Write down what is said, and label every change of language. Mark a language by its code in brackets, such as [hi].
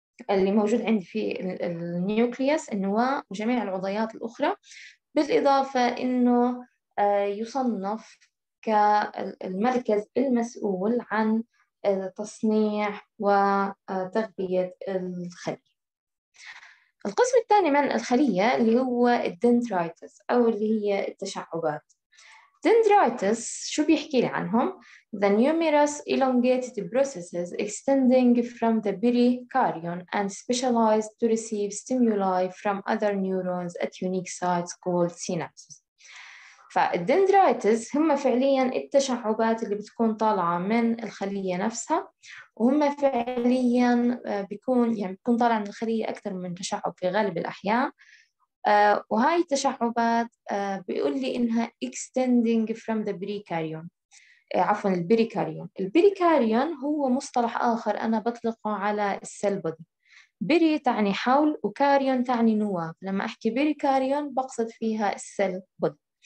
[ar] اللي موجود عندي في النيوكليوس النواة وجميع العضيات الأخرى بالإضافة إنه يصنف كالمركز المسؤول عن تصنيع وتغذية الخلية. القسم الثاني من الخلية اللي هو الدندرايتس أو اللي هي التشعبات. دندرايتس شو بيحكي لي عنهم؟ [en] The numerous elongated processes extending from the pericardium and specialized to receive stimuli from other neurons at unique sites called synapses. [ar] فالدندرايتس هم فعلياً التشعبات اللي بتكون طالعة من الخلية نفسها وهم فعلياً بيكون يعني بيكون طالعة من الخلية أكثر من تشعب في غالب الأحيان وهاي التشعبات بيقول لي إنها [en] extending from the pericardium [ar] عفواً البريكاريون البريكاريون هو مصطلح آخر أنا بطلقه على السيل بودي بري تعني حول وكاريون تعني نواة لما أحكي بريكاريون بقصد فيها السيل بودي